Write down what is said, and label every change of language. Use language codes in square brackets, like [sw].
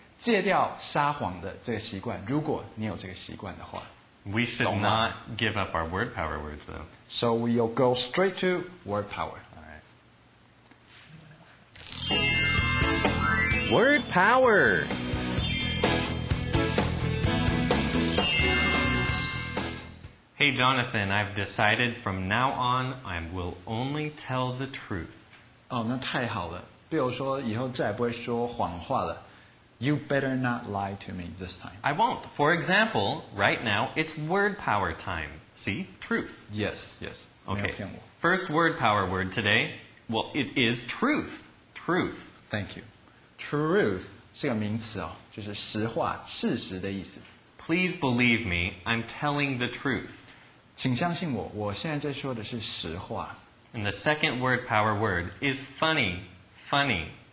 [zh] 戒掉撒谎的这个习惯如果你有这个习惯的话。 [en] We should not give up our word power words though. So we'll go straight to word power. All right. Word power. Hey, Jonathan, I've decided from now on I will only tell the truth. [zh] Oh, 那太好了。对我说以后再也不会说谎话了。 [en] You better not lie to me this time. I won't. For example, right now, it's word power time. See? Truth. Yes. Okay. First word power word today. Well, it is truth. Truth. Thank you. [zh] Truth 是个名词哦，就是实话，事实的意思。 [en] Please believe me, I'm telling the truth. [zh] 请相信我，我现在在说的是实话。 [en] And the second word power word is funny, funny.